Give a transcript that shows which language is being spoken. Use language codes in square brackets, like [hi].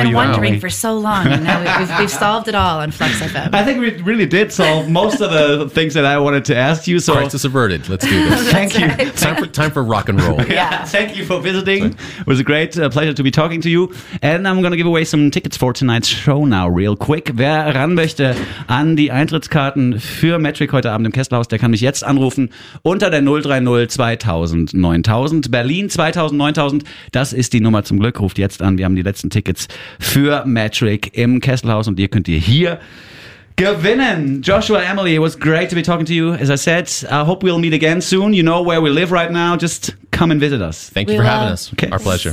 [en] I've been wondering for so long, and now we've solved it all on Flux FM. I think we really did solve most of the things that I wanted to ask you. So crisis averted. Let's do this. Thank you. Time for rock and roll. Yeah. Thank you for visiting. It was a great pleasure to be talking to you. And I'm going to give away some tickets for tonight's show now, real quick. [de] Wer ran möchte an die Eintrittskarten für Metric heute Abend im Kesselhaus, der kann mich jetzt anrufen unter der 030-2000-9000. Berlin 2000-9000, das ist die Nummer zum Glück. Ruft jetzt an. Wir haben die letzten Tickets für Metric im Kesselhaus und ihr könnt ihr hier gewinnen. [en] Joshua, Emily, it was great to be talking to you. As I said, I hope we'll meet again soon. You know where we live right now. Just come and visit us. Thank you for having us. Okay. Our pleasure.